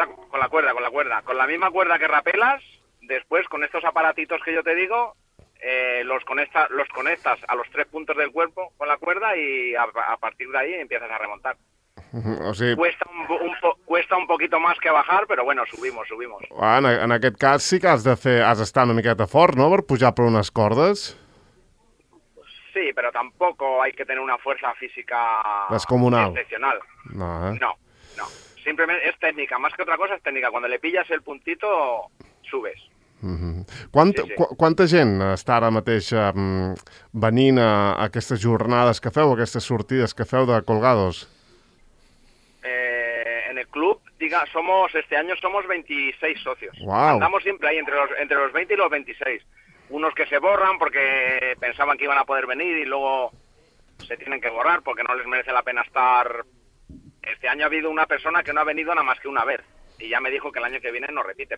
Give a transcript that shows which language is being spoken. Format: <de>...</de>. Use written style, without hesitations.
<es>Con la misma cuerda que rapelas, después con estos aparatitos que yo te digo, los conectas a los tres puntos del cuerpo con la cuerda y a partir de ahí empiezas a remontar.</es> <ca>O sigui,</ca> <es>cuesta un poquito más que bajar, pero bueno, subimos.</es> <ca>En aquest cas sí que has d'estar una miqueta fort, no?, per pujar per unes cordes.</ca> <es>Sí, pero tampoco hay que tener una fuerza física descomunal. Excepcional. No, ¿eh? No. Simplemente es técnica. Más que otra cosa es técnica. Cuando le pillas el puntito, subes. Mm-hmm.</es> <ca>Quanta gent està ara mateix venint a aquestes jornades que feu, aquestes sortides que feu de Colgados?</ca> <es>En el club, este año somos 26 socios. Wow. Andamos siempre ahí entre los 20 y los 26. Unos que se borran porque pensaban que iban a poder venir y luego se tienen que borrar porque no les merece la pena estar. Este año ha habido una persona que no ha venido nada más que una vez y ya me dijo que el año que viene no repite.</es>